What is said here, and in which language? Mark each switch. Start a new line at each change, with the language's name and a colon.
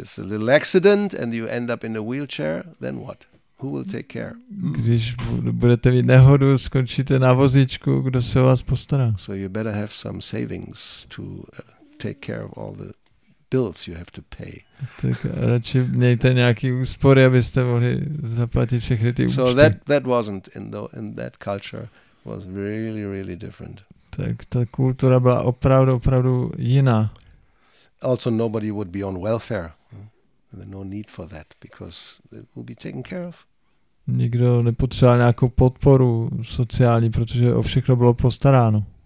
English: It's a little accident and you end up in a wheelchair, then what? Who will take care?
Czech: Když budete mít nehodu, skončíte na vozíčku, kdo se o vás postará?
English: So you better have some savings to take care of all the bills you have to pay.
Czech: Tak radši mějte nějaký úspory, abyste mohli zaplatit všechny ty účty.
English: So that wasn't in that culture was really really different.
Czech: Tak ta kultura byla opravdu jiná.
English: Also nobody would be on welfare. There's no need for that because it will be taken care of.
Czech: Nikdo nepotřeboval nějakou podporu sociální, protože o všechno bylo postaráno.